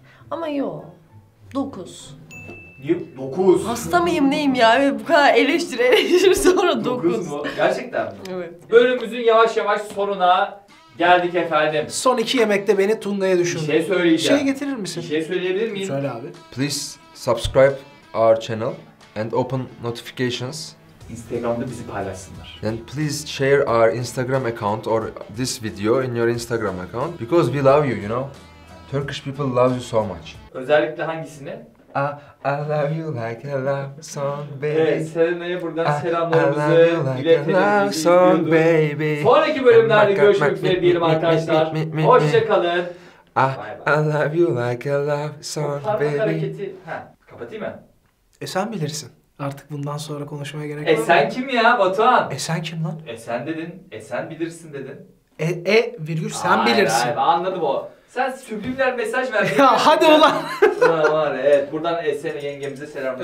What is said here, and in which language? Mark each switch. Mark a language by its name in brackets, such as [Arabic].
[Turkish] Ama yok. 9. Niye 9? Hasta mıyım neyim ya? Bu kadar eleştir sonra 9. Gerçekten mi? Evet. Bölümümüzün yavaş yavaş sonuna geldik efendim. Son iki yemekte beni Tunda'ya düşündü. Bir şey söyleyeceğim. Şey getirir misin? Bir şey söyleyebilir miyim? Söyle abi. [English] Please subscribe our channel and open notifications. [Turkish] Instagram'da bizi paylaşsınlar. [English] And please share our Instagram account or this video in your Instagram account. Because we love you, you know. Turkish people love you so much. [Turkish] Özellikle hangisini? [English] I love you like a love song baby. [Turkish] Evet, Selena'ya buradan selamlarımızı iletelim. [English] Like song baby. [Turkish] Sonraki bölümlerde görüşmek üzere diyelim arkadaşlar. Hoşçakalın. [English] I love you like a love song baby. [Turkish] Hareketi. Kapatayım mı? Sen bilirsin. Artık bundan sonra konuşmaya gerek yok. Sen kim ya Batuhan? Sen kim lan? Sen dedin. Sen bilirsin dedin. Virgül sen bilirsin. Hayır, anladım o. Sen sübliminal mesaj verdin. Ya hadi ulan. Var. Evet buradan Esen'e yengemize selamlar.